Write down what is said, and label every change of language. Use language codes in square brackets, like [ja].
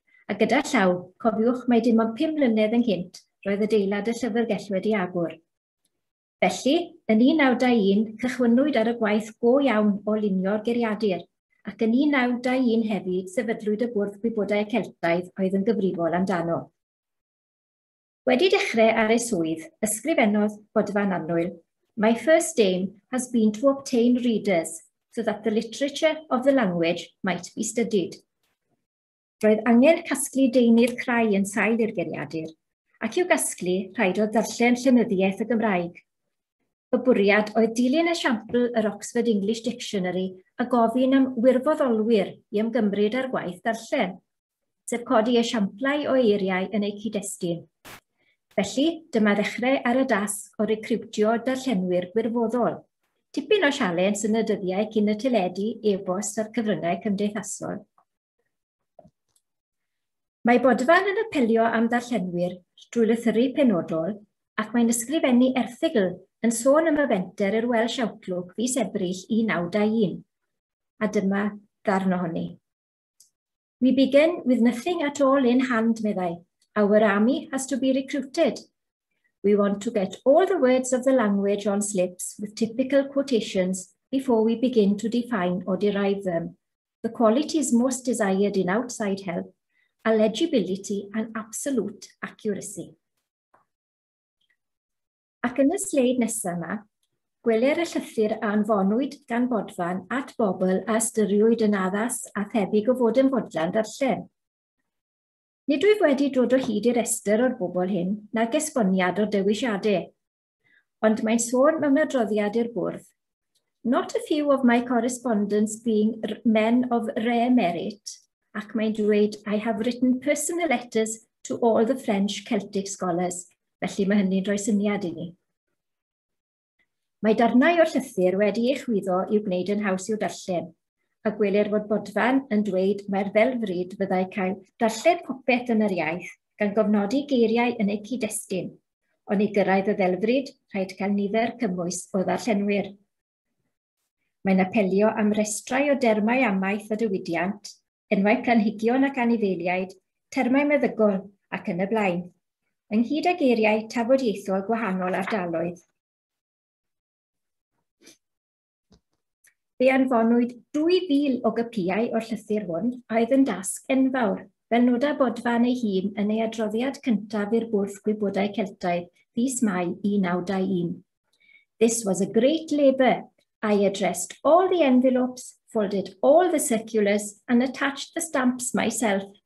[cy] A gyda llaw, cofiwch mai dim ond 5 mlynedd yn gynt roedd y deilad y Llyfrgell wedi agor. Felly, yn 1921, cychwynnwyd ar y gwaith go iawn o lunio'r geiriadur, ac yn 1921 hefyd sefydlwyd y bwrdd gwybodau Celtaidd oedd yn gyfrifol amdano. Wedi dechrau ar ei swydd, ysgrifennodd bodfan annwyl, [en] "My first aim has been to obtain readers so that the literature of the language might be studied." [cy] Roedd angen casglu deunydd crai yn sail i'r geiriadur, ac i'w gasglu rhaid o ddarllen llenyddiaeth y Gymraeg. Y bwriad oedd dilyn esiampl yr Oxford English Dictionary a gofyn am wirfoddolwyr i ymgymryd ar gwaith darllen, sef codi esiamplau o eiriau yn eu cyd-destun. Felly, dyma ddechrau ar y dasg o recriwtio darllenwyr wirfoddol. Tipyn o sialens yn y dyddiau cyn y teledu, e-bost a'r cyfryngau cymdeithasol. Mae bodfan yn apelio am darllenwyr drwy lythyru penodol ac mae'n ysgrifennu erthigl yn sôn am y fenter i'r Welsh Outlook fis Ebrill 1921. A dyma ddarn ohoni. [en] "We begin with nothing at all in hand," [cy] meddai. [en] "Our army has to be recruited. We want to get all the words of the language on slips with typical quotations before we begin to define or derive them. The qualities most desired in outside help are legibility and absolute accuracy." [cy] Ac yn y sleid nesaf yma, gweler y llythyr a anfonwyd gan bodfan at bobl a ystyriwyd yn addas a thebyg o fod yn fodlan darllen. Nid wyf wedi dod o hyd i'r rhestr o'r bobl hyn nag esboniad o dewisiadau, ond mae'n sôn mewn adroddiad i'r bwrdd. [en] "Not a few of my correspondents being men of rare merit," [cy] ac mae'n dweud, [en] "I have written personal letters to all the French Celtic scholars," [cy] felly mae hynny'n rhoi syniad i ni. Mae darnau o'r llythyr wedi ei chwyddo i'w gwneud yn haws i'w darllen, a gwelir fod bodfan yn dweud mae'r ddelfryd fyddai cael darlled popeth yn yr iaith gan gofnodi geiriau yn eu cyd-destun, ond i gyrraedd y ddelfryd rhaid cael nifer cymwys o ddarllenwyr. Mae'n apelio am restrau o dermau amaeth a diwydiant, enwau planhigion ac anifeiliaid, termau meddygol ac yn y blaen, ynghyd â geiriau tafodieithol gwahanol ardaloedd. Fe anfonwyd 2,000 o gypiau o'r llythyr hwn oedd yn dasg enfawr, fel noda bodfan ei hun yn ei adroddiad cyntaf i'r bwrdd gwybodau Celtaidd fis Mai 1921. [en] "This was a great labour. I addressed all the envelopes, folded all the circulars and attached the stamps myself."